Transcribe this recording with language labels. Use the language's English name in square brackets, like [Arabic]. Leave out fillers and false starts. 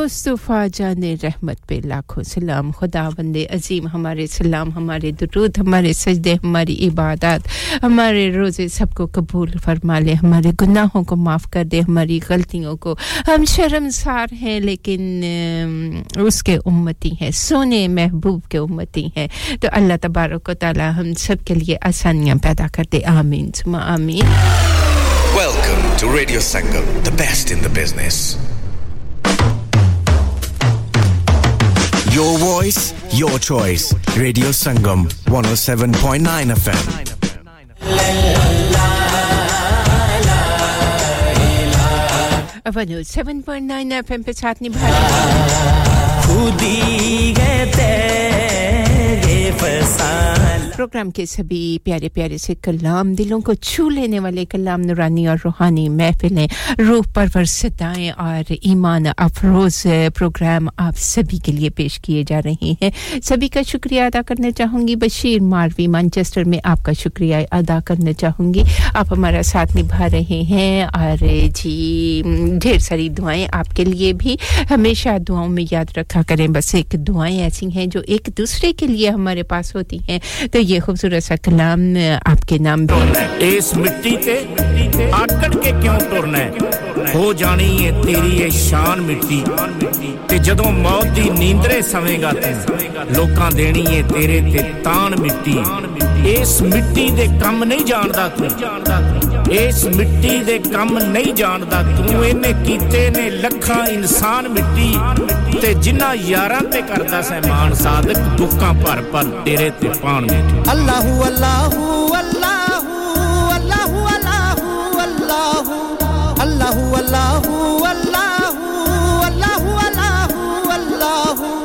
[Urdu] مصطفیٰ جان رحمت پہ لاکھوں سلام خداوند عظیم ہمارے سلام ہمارے درود ہمارے سجدے ہماری عبادات ہمارے روزے سب کو قبول فرما لے ہمارے گناہوں کو معاف کر دے ہماری غلطیوں کو ہم شرمسار ہیں لیکن اس کے امتی ہیں سونے محبوب کے امتی ہیں تو اللہ تبارک و تعالی ہم سب کے لیے آسانیاں پیدا کر دے آمین ثم آمین [English] Welcome to Radio Sangam, the best in the business. Your voice, your choice. Radio Sangam, 107.9 FM. [Urdu] Avanu, 7.9 FM pe saath nibhaye. Khudi hai tere fasal. Programme کے سبھی پیارے پیارے سے کلام دلوں کو چھو لینے والے کلام نورانی اور روحانی محفلیں روح پرور صدائیں اور ایمان افروز پروگرام آپ سبھی کے لیے پیش کیے جا رہے ہیں سبھی کا شکریہ ادا کرنا چاہوں گی بشیر ماروی مانچسٹر میں آپ کا شکریہ ادا کرنا چاہوں گی آپ ہمارا ساتھ نبھا رہے ہیں اور جی ڈھیر ساری دعائیں آپ کے لیے بھی ہمیشہ دعاؤں میں یاد رکھا کریں بس ایک دعائیں ایسی ہیں جو ایک دوسرے کے لیے ہمارے پاس ہوتی ہیں تو یہ خوبصورت سا کلام آپ کے نام بھی [Punjabi] اس مٹی تے آکڑ کے کیوں ٹرنا ہے ہو جانی ہے تیری یہ شان مٹی تے جدوں موت دی نیندرے سویں گا تے لوکاں دینی ہے تیرے تے تان مٹی اس مٹی دے کم نہیں جاندا تو اس مٹی دے کم نہیں جاندا تو اینے کیتے نے لکھاں انسان مٹی تے جنہاں یاراں تے کردا سی مان صادق دکھاں بھر بھر تیرے تے پان [Arabic] اللہ اللہ اللہ اللہ اللہ اللہ اللہ اللہ اللہ اللہ اللہ اللہ